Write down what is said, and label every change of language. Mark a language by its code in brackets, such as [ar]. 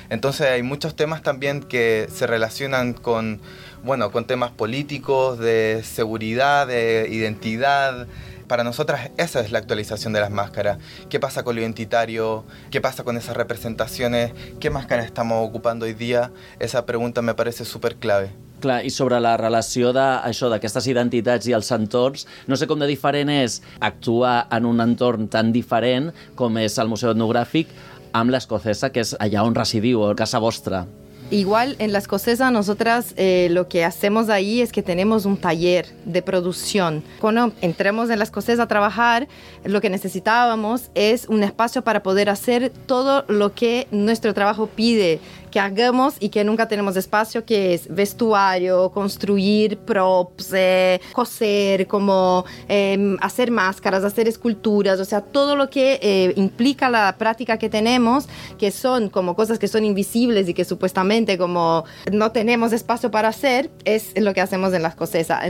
[es] Entonces hay muchos temas también que se relacionan con, bueno, con temas políticos, de seguridad, de identidad. Para nosotras esa es la actualización de las máscaras. ¿Qué pasa con lo identitario? ¿Qué pasa con esas representaciones? ¿Qué máscaras estamos ocupando hoy día? Esa pregunta me parece súper clave. [ca] Clar, i sobre la relació d'això, d'aquestes identitats i els entorns, no sé com de diferent és actuar en un entorn tan diferent com és el Museu Etnogràfic amb l'escocesa, que és allà on residiu, a casa vostra. [es] Igual, en la escocesa, nosotras lo que hacemos ahí es que tenemos un taller de producción. Cuando entremos en la escocesa a trabajar, lo que necesitábamos es un espacio para poder hacer todo lo que nuestro trabajo pide que hagamos y que nunca tenemos espacio, que es vestuario, construir props, coser, como hacer máscaras, hacer esculturas, o sea, todo lo que implica la práctica que tenemos, que son como cosas que son invisibles y que supuestamente como no tenemos espacio para hacer, es lo que hacemos en la escocesa.